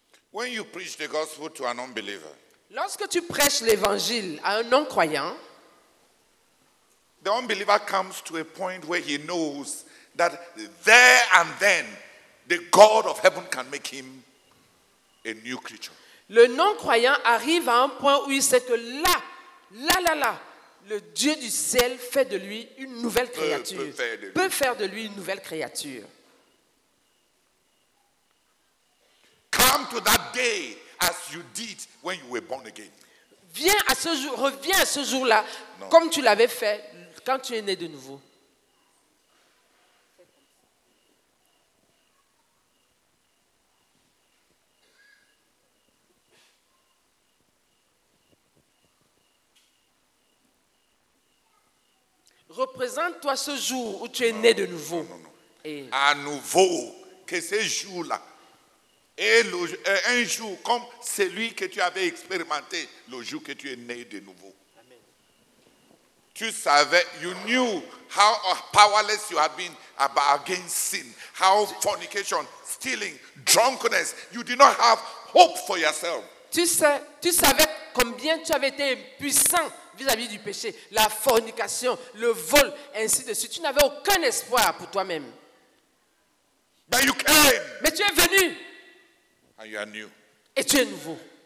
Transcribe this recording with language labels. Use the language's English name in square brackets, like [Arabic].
[English] When you preach the gospel to an unbeliever, [French] lorsque tu prêches l'évangile à un non-croyant, [English] the unbeliever comes to a point where he knows that there and then the God of heaven can make him a new creature. [French] Le non-croyant arrive à un point où il sait que là, le Dieu du ciel fait de lui une nouvelle créature. Peut faire de lui une nouvelle créature. [English] Come to that day as you did when you were born again. [French] Viens à ce jour, reviens à ce jour-là, non, comme tu l'avais fait quand tu es né de nouveau. Représente-toi ce jour où tu es né de nouveau. Non. Et à nouveau, que ce jour-là. Et un jour comme celui que tu avais expérimenté le jour que tu es né de nouveau. Amen. Tu savais, [English] you knew how powerless you had been against sin, how fornication, stealing, drunkenness, you did not have hope for yourself. [French] Tu savais combien tu avais été impuissant vis-à-vis du péché, la fornication, le vol, ainsi de suite. Tu n'avais aucun espoir pour toi-même. [English] But you came. [French] Mais tu es venu. [English] And you are new. [French] Et tu es nouveau.